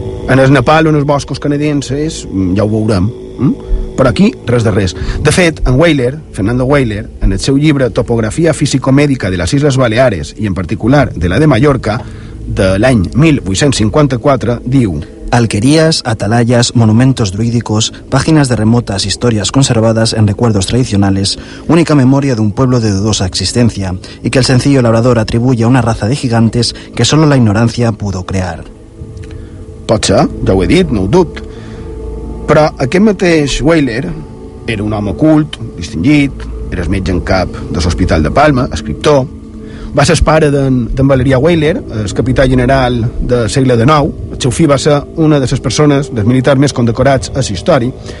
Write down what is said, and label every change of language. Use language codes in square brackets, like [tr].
[ca] En el Nepal o en els boscos canadenses, ja ho veurem, però aquí, res de res. De fet, en Weyler, Fernando Weyler, en el seu llibre Topografia Físico-Mèdica de les Illes Baleares, i en particular de la de Mallorca, de l'any 1854, diu... [es] Alquerías, atalayas, monumentos druídicos, páginas de remotas historias conservadas en recuerdos tradicionales, única memoria de un pueblo de dudosa existencia, y que el sencillo labrador atribuye a una raza de gigantes que solo la ignorancia pudo crear. [ca] Potser, ja ho he dit, no ho dubt. Però aquest mateix Weyler era un home ocult, distingit, era el metge en cap de l'Hospital de Palma, escriptor, va ser pare d'en Valerià Weyler, el capità general del segle XIX. El seu fill va ser una de les persones, dels militars més condecorats a la història.